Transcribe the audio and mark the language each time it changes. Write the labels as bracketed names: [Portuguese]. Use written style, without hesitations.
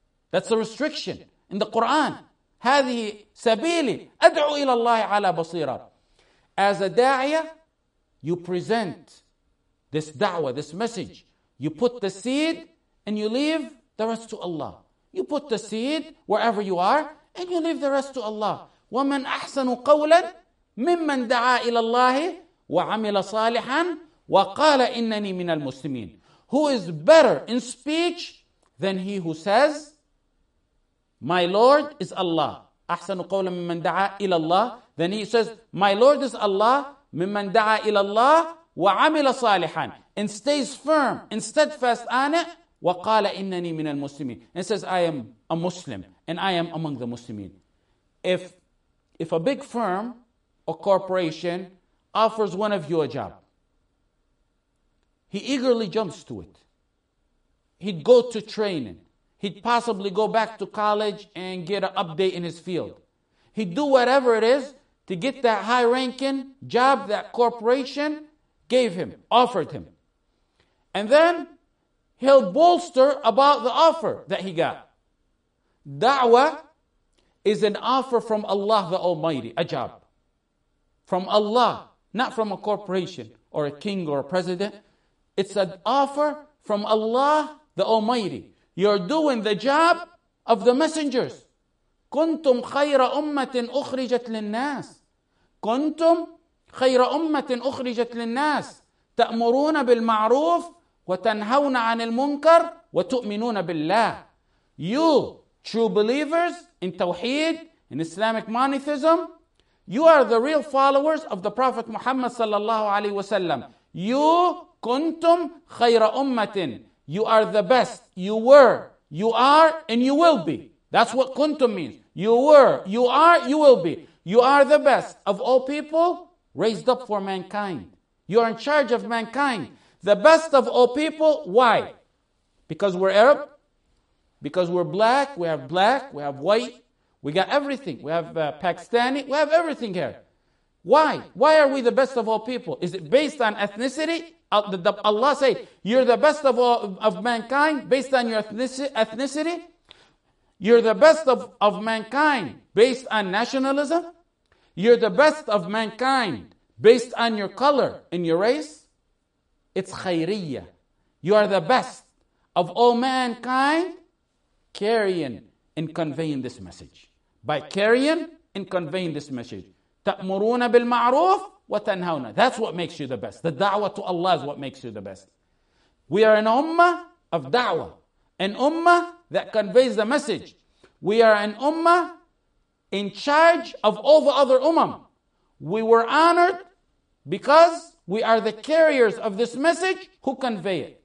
[English] That's a restriction in the Quran. [Arabic] هذه سبيلي أدعو إلى الله على بصيرة. [English] As a da'iyah, you present this da'wah, this message. You put the seed and you leave the rest to Allah. You put the seed wherever you are and you leave the rest to Allah. [Arabic] وَمَنْ أَحْسَنُ قَوْلًا مِمَّنْ دَعَى إِلَى اللَّهِ وَعَمِلَ صَالِحًا وَقَالَ إِنَّنِي مِنَ الْمُسْلِمِينَ. [English] Who is better in speech than he who says, my Lord is Allah. [Arabic] أَحْسَنُ قَوْلًا مِمَّنْ دَعَى إِلَى اللَّهِ. [English] Then he says, my Lord is Allah. [Arabic] مِمَّنْ دَعَى إِلَى اللَّهِ وعمل صالحا [English] and stays firm and steadfast on it, [Arabic] وقال إنني من المسلمين. [English] And says, I am a Muslim and I am among the Muslimin. If a big firm or corporation offers one of you a job, he eagerly jumps to it. He'd go to training. He'd possibly go back to college and get an update in his field. He'd do whatever it is to get that high-ranking job that corporation gave him, offered him. And then he'll bolster about the offer that he got. Da'wah is an offer from Allah the Almighty, a job. From Allah, not from a corporation or a king or a president. It's an offer from Allah the Almighty. You're doing the job of the messengers. [Arabic] كنتم خير أمة أخرجت للناس. كنتم خير أمة أخرجت للناس. تأمرون بالمعروف وتنهون عن المنكر وتؤمنون بالله. [English] You, true believers in Tawheed, in Islamic monotheism, you are the real followers of the Prophet Muhammad sallallahu alayhi wa sallam. [Arabic] You, كنتم خير أمة. [English] You are the best. You were, you are, and you will be. That's what kuntum means. You were, you are, you will be. You are the best of all people raised up for mankind. You are in charge of mankind. The best of all people. Why? Because we're Arab? Because we're black? We have black. We have white. We got everything. We have Pakistani. We have everything here. Why? Why are we the best of all people? Is it based on ethnicity? Allah said, you're the best of all of mankind based on your ethnicity? You're the best of mankind based on nationalism? You're the best of mankind based on your color and your race? It's khayriya. You are the best of all mankind carrying and conveying this message. By carrying and conveying this message. [Arabic] تأمرون بالمعروف وتنهون. [English] That's what makes you the best. The da'wah to Allah is what makes you the best. We are an ummah of da'wah. An ummah that conveys the message. We are an ummah in charge of all the other umam. We were honored because we are the carriers of this message who convey it.